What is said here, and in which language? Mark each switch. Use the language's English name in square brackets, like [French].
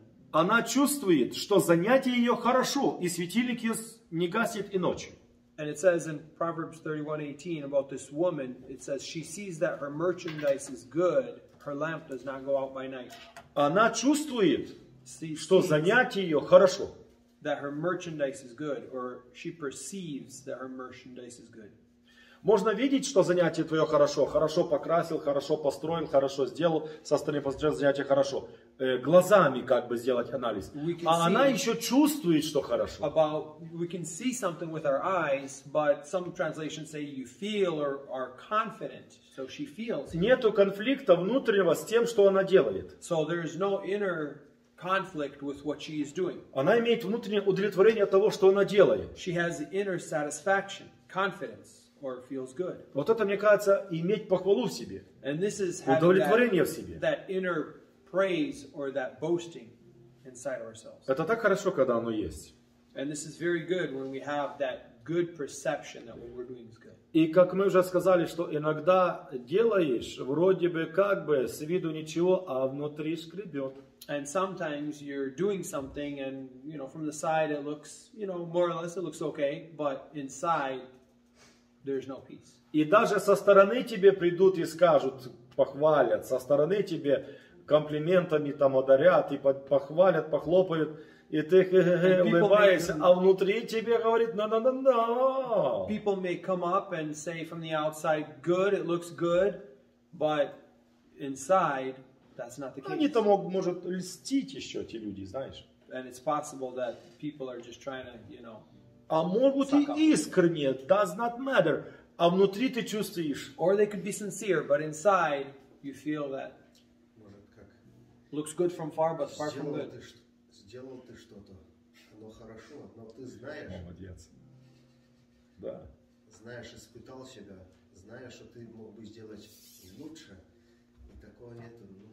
[Russian] Она чувствует, что занятие ее хорошо, и светильник ее не гасит и ночью. [English] And it says in Proverbs 31:18 about this woman, it says, she sees that her merchandise is good, her lamp does not go out by night. [Russian] Она чувствует, что занятие ее хорошо. [English] That her merchandise is good, or she perceives that her merchandise is good. [Russian] Можно видеть, что занятие твое хорошо. Хорошо покрасил, хорошо построил, хорошо сделал. Со стороны посмотрел, занятие хорошо. Глазами как бы сделать анализ. А она еще чувствует, что хорошо. [English] About, we can see something with our eyes, but some translations say you feel or are confident. So she feels. [Russian] Нету конфликта внутреннего с тем, что она делает. [English] So there is no inner conflict with what she is doing. [Russian] Она имеет внутреннее удовлетворение от того, что она делает. [English] She has inner satisfaction, confidence. Or feels good. [Russian] Вот это, мне кажется, иметь похвалу в себе. [English] And this is [Russian] удовлетворение [English] that, [Russian] в себе. [English] That inner praise or that boasting inside ourselves. [Russian] Это так хорошо, когда оно есть. [English] And this is very good when we have that good perception that what we're doing is good. [Russian] И как мы уже сказали, что иногда делаешь вроде бы как бы с виду ничего, а внутри скребет. [English] And sometimes you're doing something and, you know, from the side it looks, you know, more or less it looks okay, but inside there's no peace. [Russian] И даже со стороны тебе придут и скажут, похвалят, со стороны тебе комплиментами там одарят и похвалят, похлопают, и ты улыбаешься, а внутри тебе говорит, [English] no. People may come up and say from the outside, good, it looks good, but inside, that's not the case. [Russian] Они там могут льстить еще, эти люди, знаешь. [English] And it's possible that people are just trying to, you know, [Russian] а могут и искренне, [English] does not matter. [Russian] А внутри ты чувствуешь. [English] Or they could be sincere, but inside you feel that. [Russian] Может, как? [English] Looks good from far, but far from good. [Russian] Сделал ты что-то, оно хорошо, но ты знаешь. Молодец. Да. Знаешь, испытал себя, знаешь, что ты мог бы сделать лучше, и такого нету.